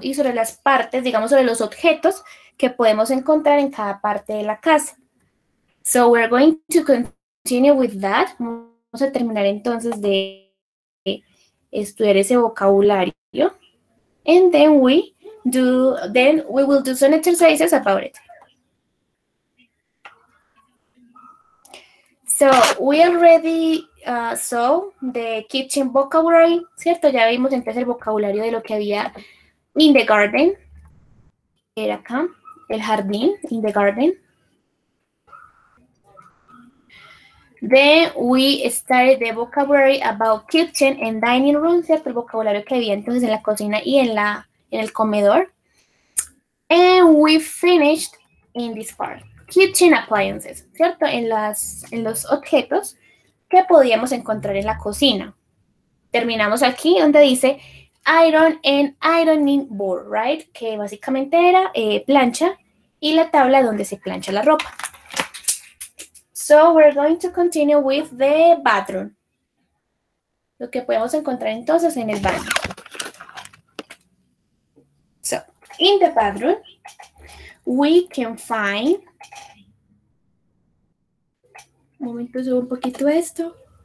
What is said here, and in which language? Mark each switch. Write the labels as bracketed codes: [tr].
[es] Y sobre las partes, digamos, sobre los objetos que podemos encontrar en cada parte de la casa. So, we're going to continue with that. Vamos a terminar entonces de estudiar ese vocabulario. [en] And then we will do some exercises about it. So we already saw the kitchen vocabulary, ¿cierto? [es] Ya vimos entonces el vocabulario de lo que había in the garden. Era acá, el jardín, in the garden. [en] Then we started the vocabulary about kitchen and dining room, ¿cierto? [es] El vocabulario que había entonces en la cocina y en el comedor. [en] And we finished in this part, kitchen appliances, ¿cierto? [es] En los objetos que podíamos encontrar en la cocina. Terminamos aquí donde dice iron and ironing board, right? Que básicamente era plancha y la tabla donde se plancha la ropa. [en] So, we're going to continue with the bathroom. [es] Lo que podemos encontrar entonces en el baño. [en] So, in the bathroom, we can find... [es] Un momento, subo un poquito esto.